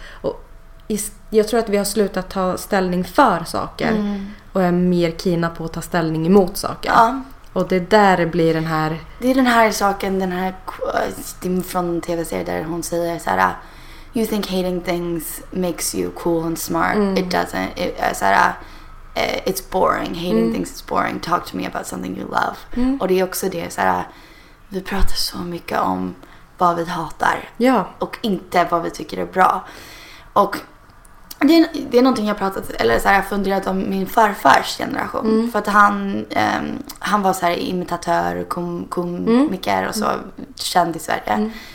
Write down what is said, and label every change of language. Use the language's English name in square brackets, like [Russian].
[Swedish] Och jag tror att vi har slutat ta ställning för saker och är mer kina på att ta ställning emot saker. Och det där blir den här... Det är den här saken, den här från tv-serien där hon säger så här: [English] you think hating things makes you cool and smart. It doesn't. [Swedish] Så här, [English] it's boring. Hating things is boring. Talk to me about something you love. [Swedish] Och det är också det, så här, vi pratar så mycket om vad vi hatar. Och inte vad vi tycker är bra. Och det är någonting jag pratat eller så här, jag funderat om min farfars generation. För att han var så här imitatör och komiker och så känd i Sverige.